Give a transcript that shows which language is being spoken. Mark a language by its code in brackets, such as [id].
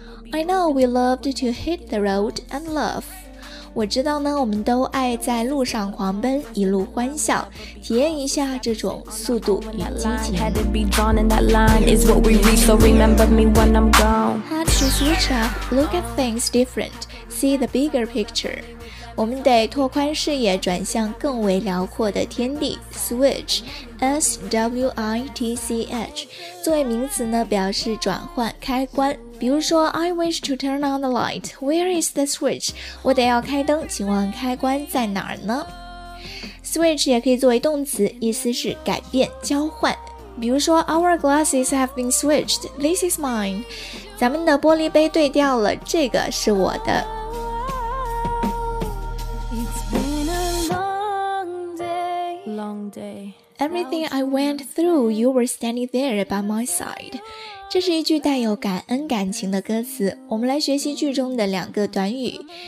[en] I know we loved to hit the road and love. [zh] 我知道呢，我们都爱在路上狂奔，一路欢笑，体验一下这种速度与激情。 [en] Had to be drawn in that line is what we read, so remember me when I'm gone. Had to switch up, look at things different, see the bigger picture. [zh] 我们得拓宽视野，转向更为辽阔的天地。 Switch, S-W-I-T-C-H, 作为名词呢，表示转换、开关。比如说 [en] I wish to turn on the light. Where is the switch? [zh] 我得要开灯，请问开关在哪儿呢？ Switch 也可以作为动词，意思是改变、交换。比如说 [en] Our glasses have been switched. This is mine. [zh] 咱们的玻璃杯对调了，这个是我的。 [en] It's been a long day. Long day. Everything I went through, you were standing there by my side. [zh] 这是一句带有感恩感情的歌词，我们来学习句中的两个短语。